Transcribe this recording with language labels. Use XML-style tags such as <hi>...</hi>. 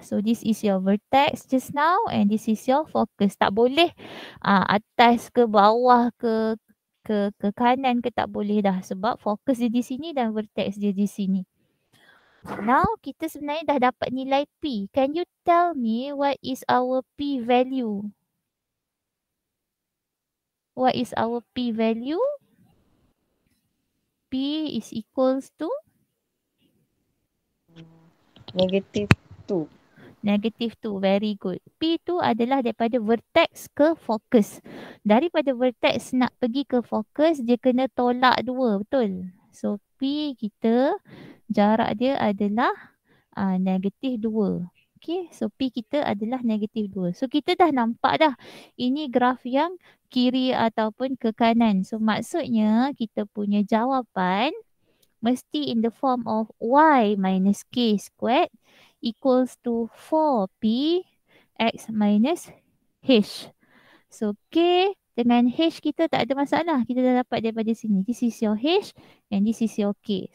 <en>So this is your vertex just now and this is your focus.</en> <ms>Tak boleh atas ke bawah ke kanan ke, tak boleh dah. Sebab focus dia di sini dan vertex dia di sini. Now kita sebenarnya dah dapat nilai P.</ms> <en>Can you tell me what is our P value? What is our P value? P is equals to? Negative 2. Negative 2. Very good.</en> <ms>P tu adalah daripada vertex ke focus. Daripada vertex nak pergi ke focus, dia kena tolak 2. Betul? So P kita, jarak dia adalah negatif 2. Okay, so P kita adalah negatif 2. So kita dah nampak dah ini graf yang kiri ataupun ke kanan. So maksudnya kita punya jawapan mesti</ms> <en>in the form of y minus k squared equals to 4p x minus h.</en> <ms>So k dengan h kita tak ada masalah. Kita dah dapat daripada sini.</ms> <en>This is your h and this is your k.</en>